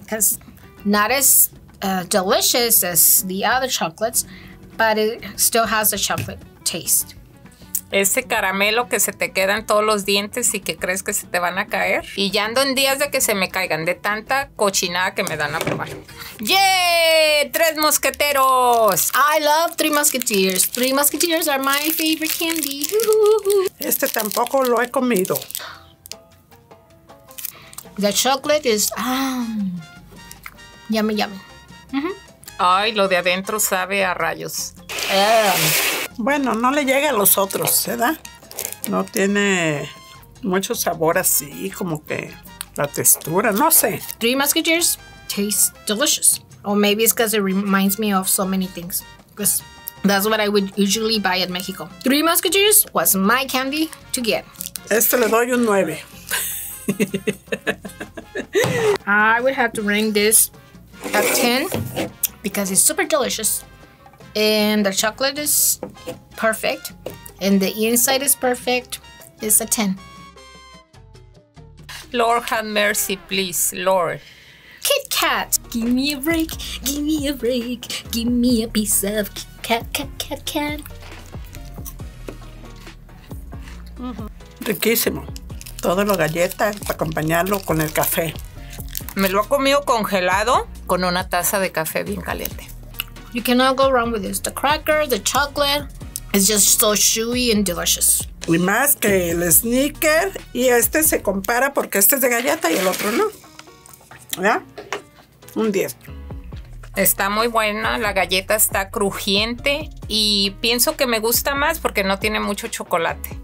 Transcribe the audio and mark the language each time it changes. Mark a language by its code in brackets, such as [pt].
[en] Because not as delicious as the other chocolates, but it still has a chocolate taste. [es] Ese caramelo que se te quedan todos los dientes y que crees que se te van a caer. Y ya ando en días de que se me caigan, de tanta cochinada que me dan a probar. ¡Yay! ¡Tres mosqueteros! [en] I love Three Musketeers. Three Musketeers are my favorite candy. [es] Este tampoco lo he comido. [en] The chocolate is yummy, yummy. [es] Mm-hmm. Ay, lo de adentro sabe a rayos. Bueno, no le llega a los otros, ¿verdad? No tiene mucho sabor así, como que la textura, no sé. [en] Three Musketeers taste delicious. Or maybe it's because it reminds me of so many things. Because that's what I would usually buy at Mexico. Three Musketeers was my candy to get. [es] Este le doy un 9. [en] I would have to rank this a 10 because it's super delicious. And the chocolate is perfect. And the inside is perfect. It's a 10. Lord have mercy, please, Lord. Kit Kat. Give me a break, give me a break. Give me a piece of Kit Kat, Kat, Kat, Kat. [es] Riquísimo. Todo lo galleta para acompañarlo con el café. Me lo he comido congelado con una taza de café bien caliente. [en] You cannot go wrong with this. The cracker, the chocolate, it's just so chewy and delicious. [es] Y más que el sneaker, y este se compara porque este es de galleta y el otro no. ¿Ya? Un 10. Está muy buena, la galleta está crujiente y pienso que me gusta más porque no tiene mucho chocolate.